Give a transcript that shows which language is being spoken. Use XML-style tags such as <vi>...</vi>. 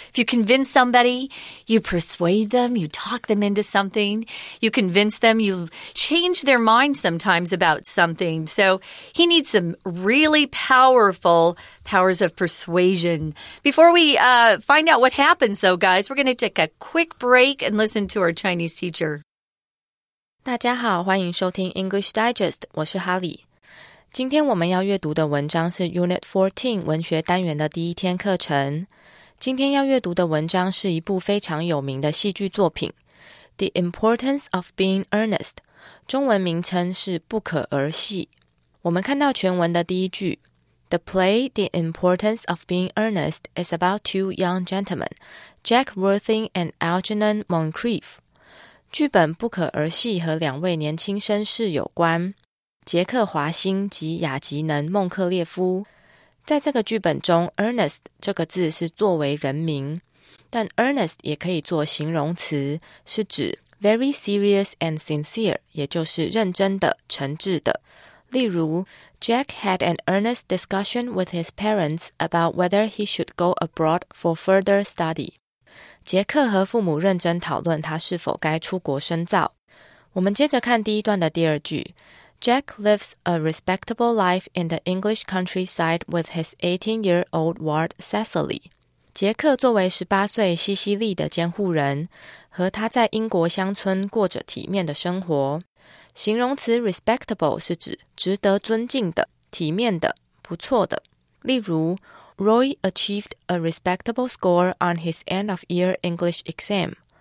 <en>If you convince somebody, you persuade them, you talk them into something, you convince them, you change their mind sometimes about something. So he needs some really powerful powers of persuasion. Before we find out what happens, though, guys, we're going to take a quick break and listen to our Chinese teacher.</en> <zh>大家好，欢迎收听 English Digest， 我是哈利。今天我们要阅读的文章是 Unit 14文学单元的第一天课程。今天要阅读的文章是一部非常有名的戏剧作品 The Importance of Being Earnest， 中文名称是不可儿戏。我们看到全文的第一句</zh> <en>The play The Importance of Being Earnest is about two young gentlemen, Jack Worthing and Algernon Moncrief。</en> <zh>剧本不可儿戏和两位年轻绅士有关，杰克华辛及雅吉能孟克列夫。在这个剧本中， Ernest 这个字是作为人名，但 Ernest 也可以做形容词，是指</zh> <en>very serious and sincere，</en> <zh>也就是认真的、诚挚的。例如，</zh> <en>Jack had an earnest discussion with his parents about whether he should go abroad for further study。</en> <zh>杰克和父母认真讨论他是否该出国深造。我们接着看第一段的第二句，</zh> <en>Jack lives a respectable life in the English countryside with his 18-year-old ward Cecily.</en> <zh>杰克作为18岁西西利的监护人，和他在英国乡村过着体面的生活。形容词 respectable 是指值得尊敬的、体面的、不错的。例如，</zh> <en>Roy achieved a respectable score on his end-of-year English exam.</en>